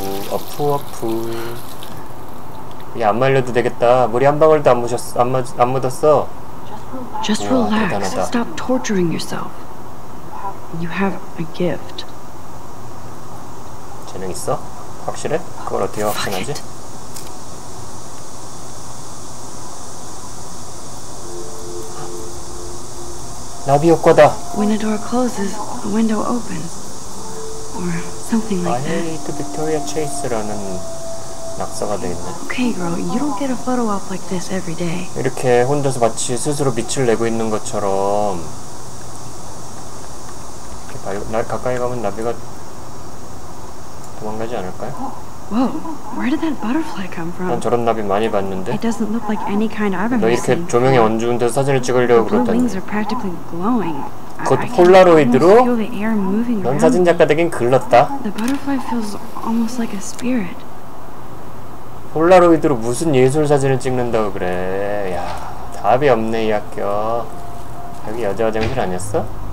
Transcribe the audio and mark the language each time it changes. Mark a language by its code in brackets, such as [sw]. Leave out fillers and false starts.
[ko] 어푸어푸. 이게 안 말려도 되겠다. 물이 한 방울도 안 묻었어. [en] Just relax. Stop torturing yourself. You have a gift. [ko] 재능 있어? 확실해? 그걸 어떻게 확신하지? 나비 효과다. [en] When the door closes, the window opens, or something like that. I hate Victoria Chase [ko] 라는 낙서가 돼 있네. [en] Okay, girl, you don't get a photo op like this every day. [ko] 이렇게 혼자서 마치 스스로 빛을 내고 있는 것처럼 이렇게 날 가까이 가면 나비가 도망가지 않을까요? [en] Whoa, where did that butterfly come from? [ko] 난 저런 나비 많이 봤는데. [en] It doesn't look like any kind I've ever seen. [ko] 너 이렇게 조명이 어두운 데서 사진을 찍으려고 그랬다니. [en] The blue wings are practically glowing. [ko] 그것도 폴라로이드로? 넌 사진작가 되긴 글렀다. [en] The butterfly feels almost like a spirit. [ko] 폴라로이드로 무슨 예술 사진을 찍는다고 그래. 야, 답이 없네 이 학교. 여기 여자 화장실 아니었어?